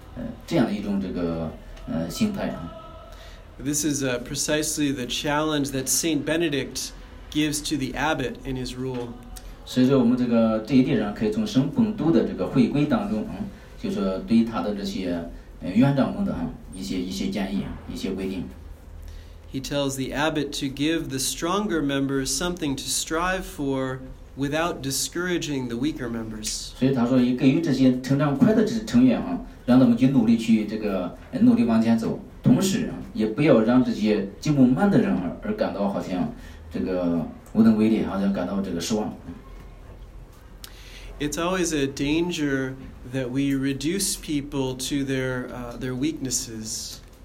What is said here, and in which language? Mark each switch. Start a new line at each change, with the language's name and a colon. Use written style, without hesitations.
Chinese: 所以说我们必须有这个对，就是进步比较慢的成员的这样的一种这个团，与他们的这个接受和团结，这样的一种这个心态。
English: This is precisely the challenge that Saint Benedict gives to the abbot in his rule.
Chinese: 所以说我们这个这一地上可以从圣本都的这个回归当中，就是对于他的这些院长们的一些建议，一些规定。He
English: tells the abbot to give the stronger members something to strive for without discouraging the weaker members.
Chinese: 所以他说也给予这些成长快的成员，让他们去努力去这个努力往前走，同时也不要让这些进步慢的人而感到好像这个
English: It's always a danger that we reduce people to their weaknesses.